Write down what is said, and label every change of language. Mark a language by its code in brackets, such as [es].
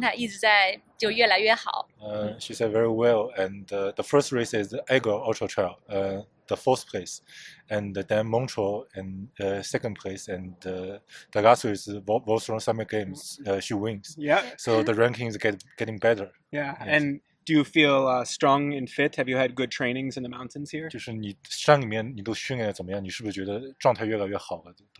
[zh] 非常顺利，因为刚来的时候蒙特勒第四名，然后艾格峰第一场是第四名，然后第二场蒙特勒是第二名，第三场的时候拿到了第一名，所以说我一直在进步，感觉自己的状态一直在就越来越好。 [en] She said very well, and the first race is Eger Ultra Trail, the fourth place, and then Montreal and second place, and the last is Vosron Summer Games. She wins. Yeah. So the rankings getting better. Yeah. Yes. And do you feel strong and fit? Have you had good trainings in the mountains here? [zh] 就是你山里面你都训练怎么样？你是不是觉得状态越来越好了？